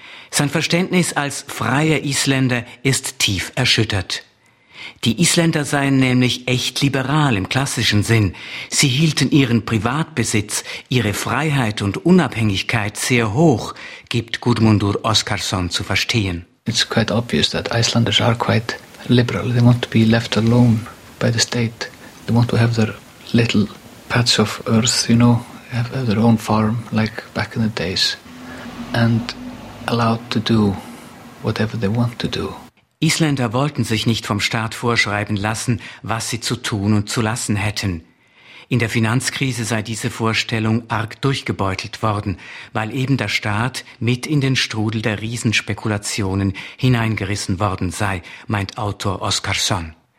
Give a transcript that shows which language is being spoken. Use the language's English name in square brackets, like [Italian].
[German] Sein Verständnis als freier Isländer ist tief erschüttert. Die Isländer seien nämlich echt liberal im klassischen Sinn. Sie hielten ihren Privatbesitz, ihre Freiheit und Unabhängigkeit sehr hoch, gibt Gudmundur Oskarsson zu verstehen. [English] It's quite obvious that Icelanders are quite liberal. They want to be left alone by the state. They want to have their little patch of earth, you know, have their own farm like back in the days and allowed to do whatever they want to do. [German] Isländer wollten sich nicht vom Staat vorschreiben lassen, was sie zu tun und zu lassen hätten. In der Finanzkrise sei diese Vorstellung arg durchgebeutelt worden, weil eben der Staat mit in den Strudel der Riesenspekulationen hineingerissen worden sei, meint Autor Oskarsson.